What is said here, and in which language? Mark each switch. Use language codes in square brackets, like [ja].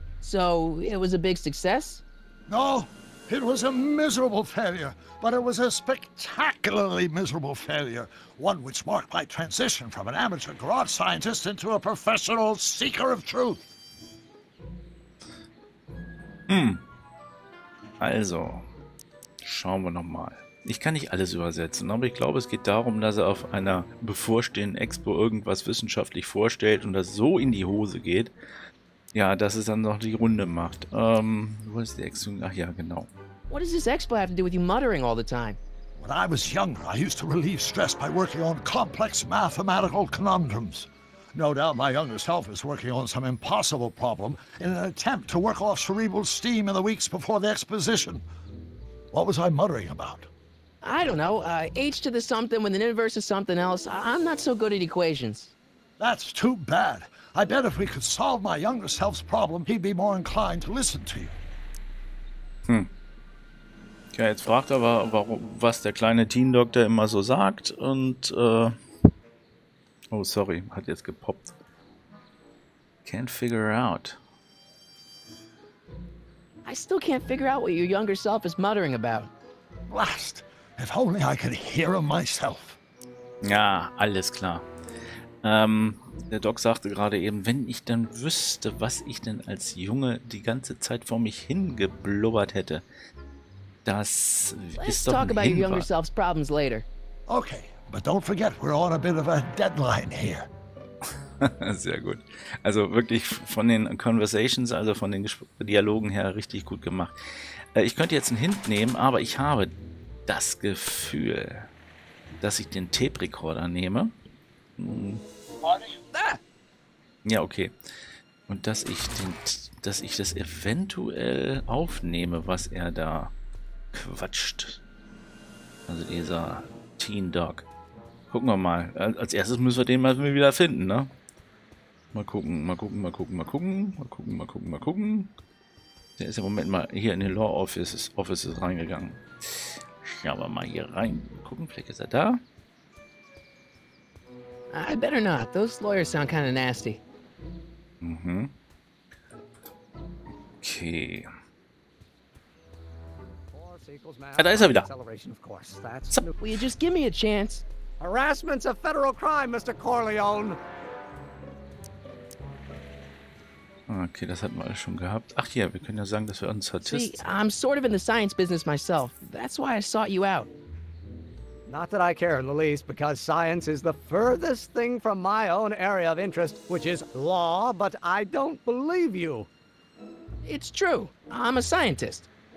[en] So, it was a big success? No, it was a miserable failure, but it was a spectacularly miserable failure. One which marked my transition from an amateur garage scientist into a professional seeker of truth. [de] Also, schauen wir nochmal. Ich kann nicht alles übersetzen, aber ich glaube, es geht darum, dass er auf einer bevorstehenden Expo irgendwas wissenschaftlich vorstellt und das so in die Hose geht, ja, dass es dann noch die Runde macht. Wo ist die Expo? Ach ja, genau. [en] What does this expo have to do with you muttering all the time? When I was younger, I used to relieve stress by working on complex mathematical conundrums. No doubt my younger self is working on some impossible problem in an attempt to work off cerebral steam in the weeks before the exposition. What was I muttering about? I don't know. H to the something with an inverse of something else. I'm not so good at equations. That's too bad. I bet if we could solve my younger self's problem, he'd be more inclined to listen to you. [de] Okay, jetzt fragt er, was der kleine Teen-Doktor immer so sagt und, hat jetzt gepoppt. [en] Can't figure out. I still can't figure out what your younger self is muttering about. Blast! If only I could hear him myself. [de] Ja, alles klar. Der Doc sagte gerade eben, wenn ich dann wüsste, was ich denn als Junge die ganze Zeit vor mich hingeblubbert hätte, das ist doch ein Hinweis. [en] Let's talk about your younger self's problems later. Okay, but don't forget, we're on a bit of a deadline here. [de] Sehr gut. Also wirklich von den Conversations, also von den Dialogen her richtig gut gemacht. Ich könnte jetzt einen Hint nehmen, aber ich habe das Gefühl, dass ich den Tape-Recorder nehme. Ja, okay. Und dass ich das eventuell aufnehme, was er da quatscht. Also dieser Teen Dog. Gucken wir mal. Als erstes müssen wir den mal wieder finden, ne? Mal gucken. Der ist ja im Moment mal hier in den Law Offices reingegangen. Schauen wir mal hier rein. Gucken, vielleicht ist er da. [en] I better not. Those lawyers sound kind of nasty. Mhm. [de] Okay. Ja, da ist er wieder. [en] Will you just give me a chance? Harassment's a federal crime, Mr. Corleone. [de] Okay, das hatten wir alles schon gehabt. Ach ja, wir können ja sagen, dass wir ein Statist sind. [en] See, I'm sort of in the science business myself. That's why I sought you out. Not that I care in the least, because science is the furthest thing from my own area of interest, which is law, but I don't believe you. It's true. I'm a scientist.